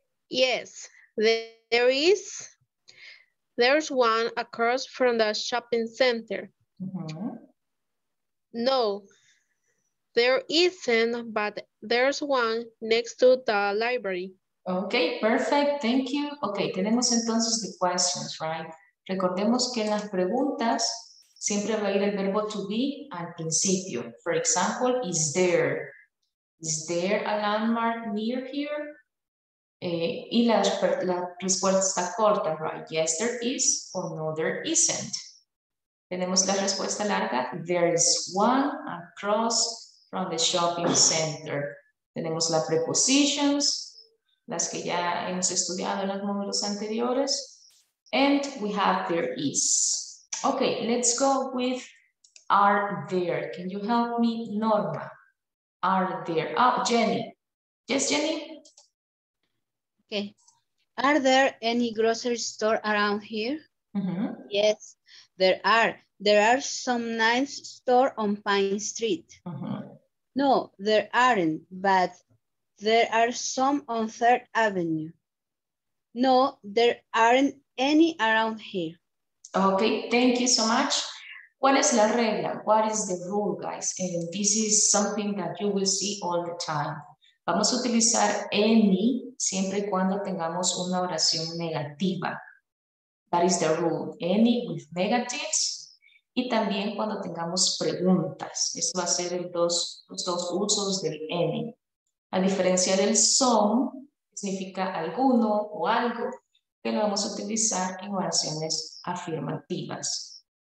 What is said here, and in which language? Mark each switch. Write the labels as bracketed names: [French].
[English] Yes, there is. There's one across from the shopping center. Mm-hmm. No. There isn't, but there's one next to the library. Okay, perfect. Thank you. Okay, tenemos entonces the questions, right? [Spanish] Recordemos que en las preguntas siempre va a ir el verbo to be al principio. [English] For example, is there? Is there a landmark near here? [Spanish] Y la respuesta está corta, right? [English] Yes, there is, or no, there isn't. Tenemos la respuesta larga. There is one across from the shopping center. [Spanish] Tenemos las prepositions, las que ya hemos estudiado en los módulos anteriores. [English] And we have there is. Okay, let's go with are there. Can you help me, Norma? Are there? Oh, Jenny. Yes, Jenny? Okay. Are there any grocery store around here? Mm-hmm. Yes, there are. There are some nice store on Pine Street. Mm-hmm. No, there aren't, but there are some on Third Avenue. No, there aren't any around here. Okay, thank you so much. What is la regla? What is the rule, guys? And this is something that you will see all the time. [Spanish] Vamos a utilizar any siempre y cuando tengamos una oración negativa. [English] That is the rule. Any with negatives. Y también cuando tengamos preguntas. [Spanish] Eso va a ser los dos usos del any. A diferencia del some, significa alguno o algo, que lo vamos a utilizar en oraciones afirmativas.